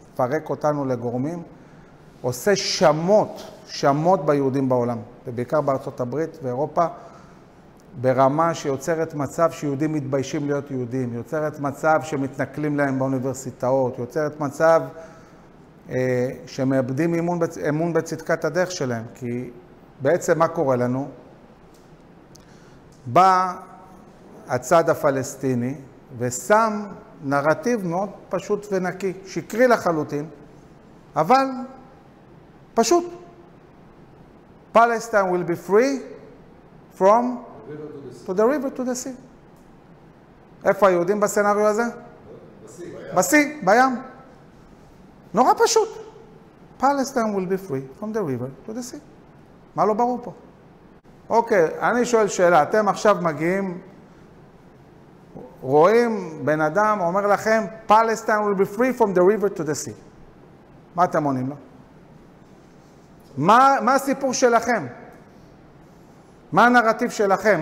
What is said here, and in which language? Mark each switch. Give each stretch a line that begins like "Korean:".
Hebrew: מפרק אותנו לגורמים, עושה שמות ביהודים בעולם, ובעיקר בארצות הברית ואירופה, ברמה שיוצרת מצב שיהודים מתביישים להיות יהודים, יוצרת מצב שמתנכלים להם באוניברסיטאות, יוצרת מצב שמאבדים אמון בצדקת הדרך שלהם. כי בעצם מה קורה לנו? בא הצד הפלסטיני ושם נרטיב מאוד פשוט ונקי, שקרי לחלוטין, אבל פשוט.
English: Palestine will be free from the river to the sea.
Hebrew: איפה היהודים בסנריו הזה? בסי, בים. נורא פשוט.
English: Palestine will be free from the river to the sea.
Hebrew: מה לא ברור פה? אוקיי, אני שואל שאלה. אתם עכשיו מגיעים, רואים בן אדם, אומר לכם,
English: Palestine will be free from the river to the sea.
Hebrew: מה אתם עונים לו? מה הסיפור שלכם? מה הנרטיב שלכם?